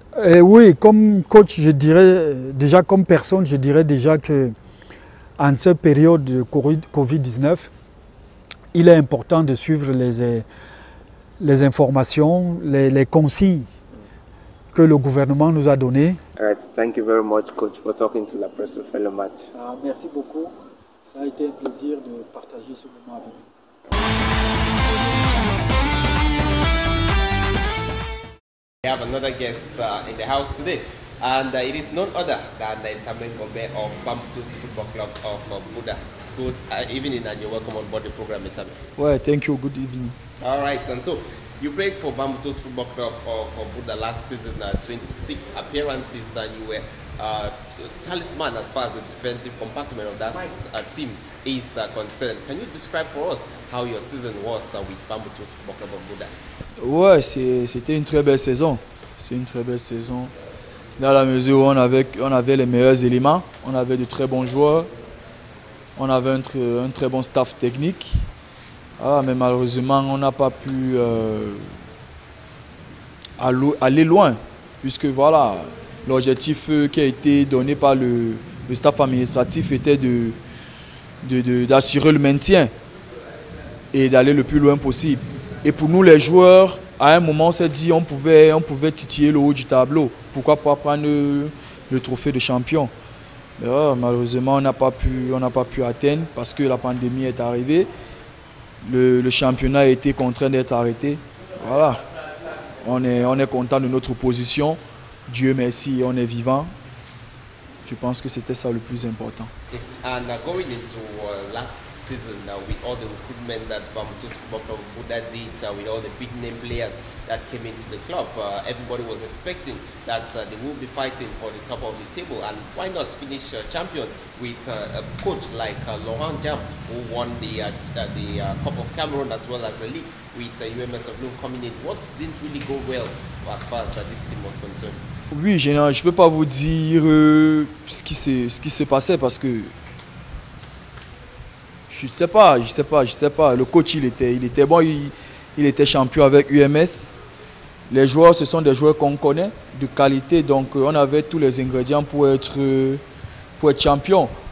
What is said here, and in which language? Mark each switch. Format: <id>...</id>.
<fr>Et oui, comme coach, je dirais déjà, comme personne, je dirais déjà que en cette période de Covid-19, il est important de suivre les informations, les consignes que le gouvernement nous a données.</fr> <en>All right, thank you very much, coach, for talking to La Presse for the match.</en> <fr>Ah, merci beaucoup. Ça a été un plaisir de partager ce moment avec vous.</fr> <en>We have another guest in the house today, and it is none other than the Itamen Gombe of Bamboutousi Football Club of Buda. Good evening, and you're welcome on board the program, Itamen. Well, thank you. Good evening. All right, and so you played for Bamboutousi Football Club of Buda last season, 26 appearances, and you were talisman as far as the defensive compartment of that team is concerned. Can you describe for us how your season was with Bamboutousi Football Club of Buda?</en> <fr>Ouais, c'était une très belle saison. C'est une très belle saison. Dans la mesure où on avait les meilleurs éléments, on avait de très bons joueurs, on avait un très bon staff technique. Ah, mais malheureusement, on n'a pas pu aller loin, puisque voilà, l'objectif qui a été donné par le staff administratif était d'assurer le maintien et d'aller le plus loin possible. Et pour nous, les joueurs, à un moment, on s'est dit on pouvait titiller le haut du tableau. Pourquoi pas prendre le trophée de champion? Mais malheureusement, on n'a pas pu atteindre parce que la pandémie est arrivée. Le championnat a été contraint d'être arrêté. Voilà. On est content de notre position. Dieu merci, on est vivant. Je pense que c'était ça le plus important.</fr> <en>And going into last season, with all the recruitment that Bamboutousi Football Club Buda did, with all the big name players that came into the club, everybody was expecting that they would be fighting for the top of the table. And why not finish champions with a coach like Laurent Jam, who won the Cup of Cameroon as well as the league with UMS of Loom coming in? What didn't really go well as far as this team was concerned?</en> <fr>Oui, je ne peux pas vous dire ce qui se passait parce que je ne sais pas. Le coach, il était bon, il était champion avec UMS. Les joueurs, ce sont des joueurs qu'on connaît, de qualité. Donc, on avait tous les ingrédients pour être champion.</fr>